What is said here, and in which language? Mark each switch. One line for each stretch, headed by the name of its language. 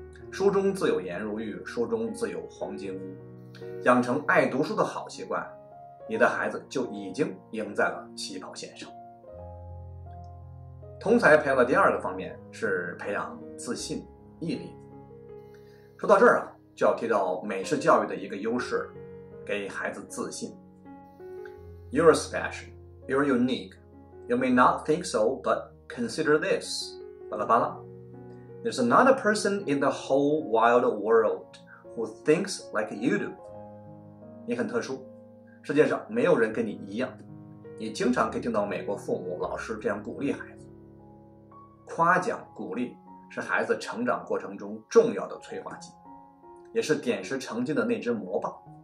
Chinese: 书中自有颜如玉，书中自有黄金屋。养成爱读书的好习惯，你的孩子就已经赢在了起跑线上。通才培养的第二个方面是培养自信、毅力。说到这儿啊，就要提到美式教育的一个优势，给孩子自信。
English: You're special, you're unique, you may not think so, but consider this,
Chinese: 巴拉巴拉。
English: There's another person in the whole wild world who thinks like you do.
Chinese: 你很特殊，世界上没有人跟你一样。你经常可以听到美国父母、老师这样鼓励孩子。夸奖、鼓励是孩子成长过程中重要的催化剂，也是点石成金的那只魔棒。